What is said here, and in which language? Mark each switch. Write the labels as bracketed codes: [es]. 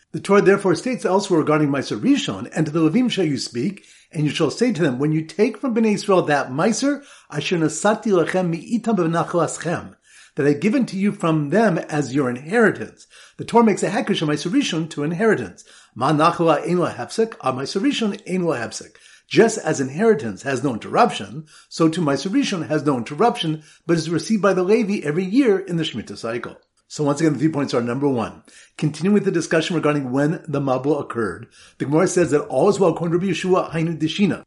[en] The Torah therefore states elsewhere regarding Maaser Rishon, and to the Levim shall you speak, and you shall say to them, when you take from Bnei Israel that Maaser, [he] asher nasati lechem mi'itam b'nachlaschem, [en] that I've given to you from them as your inheritance. The Torah makes a hekesh of Maaser Rishon to inheritance. [he] Ma nachla ein lahepsek, a Maaser Rishon ein lahepsek. [en] Just as inheritance has no interruption, so too Maaser Rishon has no interruption, but is received by the Levi every year in the Shemitah cycle. So once again, the three points are number one. Continuing with the discussion regarding when the Mabul occurred, the Gemara says that all is well according to Yeshua, Hainu Dishina.